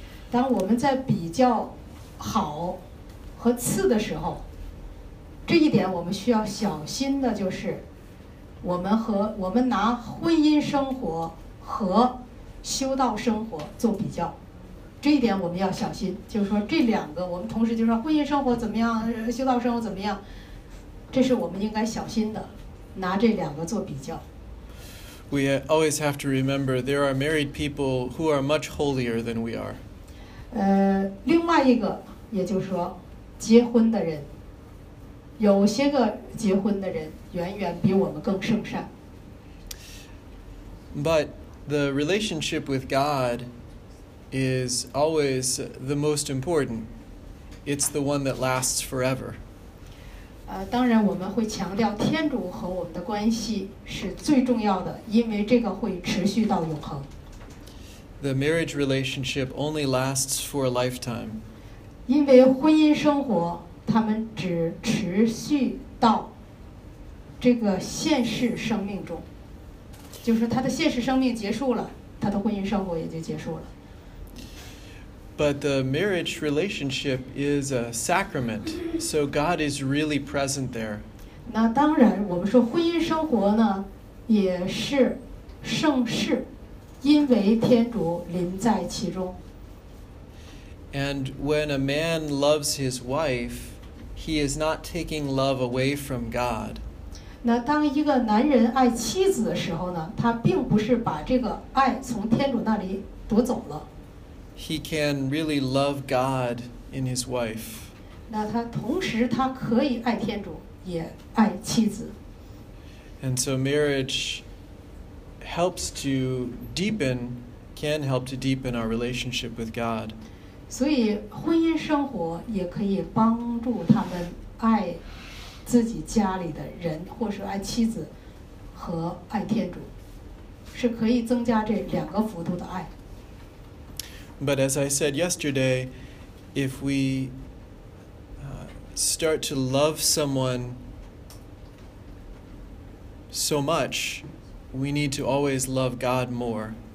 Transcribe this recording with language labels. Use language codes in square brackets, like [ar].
[zh] 当我们在比较好和次的时候，这一点我们需要小心的，就是我们拿婚姻生活和修道生活做比较，这一点我们要小心。就是说这两个，我们同时就说婚姻生活怎么样，修道生活怎么样，这是我们应该小心的，拿这两个做比较。 [en] We always have to remember there are married people who are much holier than we are. [zh] 另外一个，也就是说，结婚的人，有些个结婚的人远远比我们更圣善。 [en] But the relationship with God is always the most important. It's the one that lasts forever. [zh] 当然我们会强调天主和我们的关系是最重要的，因为这个会持续到永恒。 [en] The marriage relationship only lasts for a lifetime. [zh] 因为婚姻生活他们只持续到这个现世生命中，就是他的现世生命结束了，他的婚姻生活也就结束了。 [en] But the marriage relationship is a sacrament, so God is really present there. [zh] 那当然，我们说婚姻生活呢，也是圣事，因为天主临在其中。 [en] And when a man loves his wife, he is not taking love away from God. [zh] 那当一个男人爱妻子的时候呢，他并不是把这个爱从天主那里夺走了。 [en] He can really love God in his wife. [zh] 那他同时他可以爱天主，也爱妻子。 [en] And so marriage helps to deepen, can help to deepen our relationship with God. [zh] 所以婚姻生活也可以帮助他们爱自己家里的人，或是爱妻子和爱天主，是可以增加这两个幅度的爱。 [en] But as I said yesterday, if we start to love someone so much, we need to always love God more.